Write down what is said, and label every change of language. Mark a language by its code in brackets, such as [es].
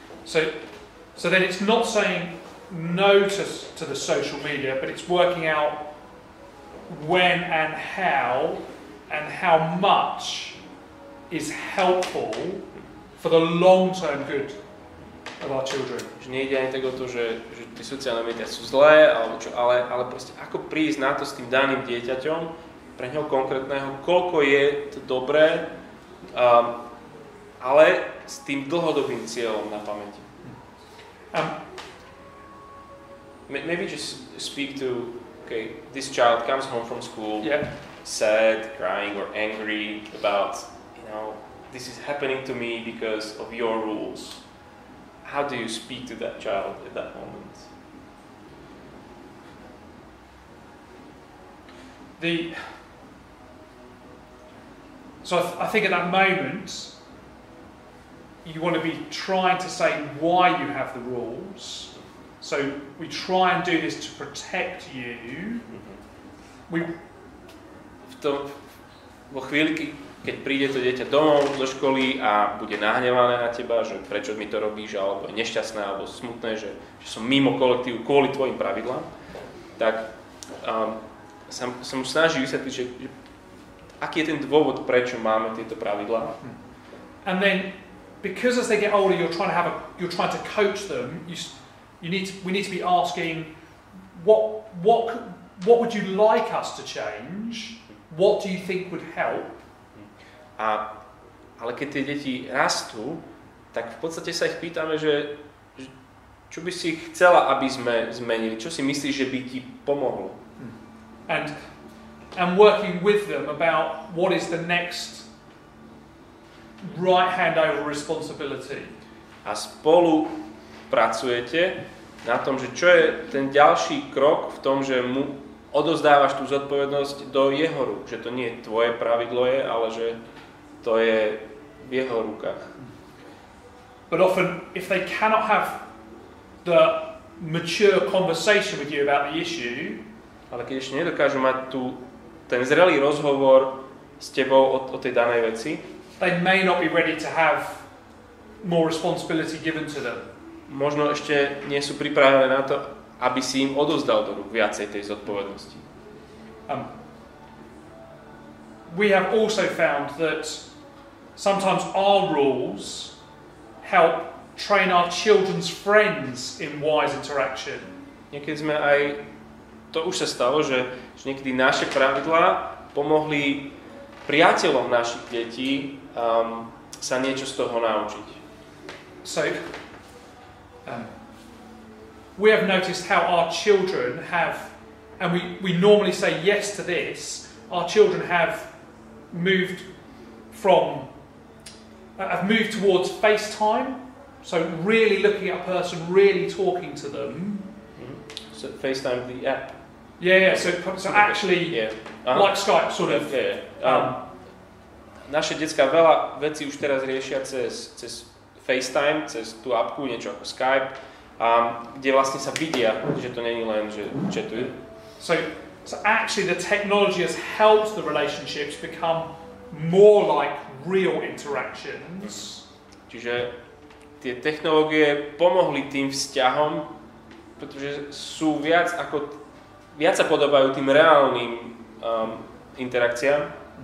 [en] So then it's not saying no to the social media, but it's working out when and how much is helpful for the long-term good of our children. [sk] Že nejde ani tak o to, že tie sociálne médiá sú zlé, alebo čo, ale proste ako prísť na to s tým daným dieťaťom, pre neho konkrétneho, koľko je to dobré, ale s tým dlhodobým cieľom na pamäti. [en] Maybe just speak to, okay, this child comes home from school, yep, sad, crying or angry about, you know, this is happening to me because of your rules. How do you speak to that child at that moment? I think at that moment you want to be trying to say why you have the rules. So we try and do this to protect you. Mm-hmm. [sk] Vo chvíľky, keď príde to dieťa domov do školy a bude nahnevané na teba, že prečo mi to robíš, alebo je nešťastné, alebo smutné, že som mimo kolektívu kvôli tvojim pravidlám, tak sa mu snaží vysvetliť, že aký je ten dôvod, prečo máme tieto pravidlá. [en] And then, because as they get older, you're trying to coach them, we need to be asking, what would you like us to change? What do you think would help? [sk] Ale keď tie deti rastú, tak v podstate sa ich pýtame, že čo by si chcela, aby sme zmenili? Čo si myslíš, že by ti pomohlo? [en] And working with them about what is the next right hand over responsibility. [sk] a spolu pracujete na tom, že čo je ten ďalší krok v tom, že mu odozdávaš tú zodpovednosť do jeho rúk, že to nie je tvoje pravidlo je, ale že to je v jeho rukách. [en] But often if they cannot have the mature conversation with you about the issue, [sk] ale keď ešte nedokážu mať tu ten zrelý rozhovor s tebou o tej danej veci, [en] they may not be ready to have more responsibility given to them. [sk] Možno ešte nie sú pripravené na to, aby si im odovzdal do rúk viacej tej zodpovednosti. [en] We have also found that sometimes our rules help train our children's friends in wise interaction. [sk] Niekedy sme aj, to už sa stalo, že niekedy naše pravidlá pomohli priateľom našich detí sa niečo z toho naučiť. [en] So, we have noticed how our children have, and we normally say yes to this, our children have moved from, have moved towards FaceTime, so really looking at a person, really talking to them. Mm-hmm. So FaceTime, the app. Yeah, so actually, yeah. Like Skype, sort of. Yeah. [sk] Naše decká veľa vecí už teraz riešia cez FaceTime, cez tú apku, niečo ako Skype, kde vlastne sa vidia, že to není len, že chatujú. [en] So actually the technology has helped the relationships become more like real interactions. [sk] Čiže tie technológie pomohli tým vzťahom, pretože sú viac ako, viac sa podobajú tým reálnym interakciám.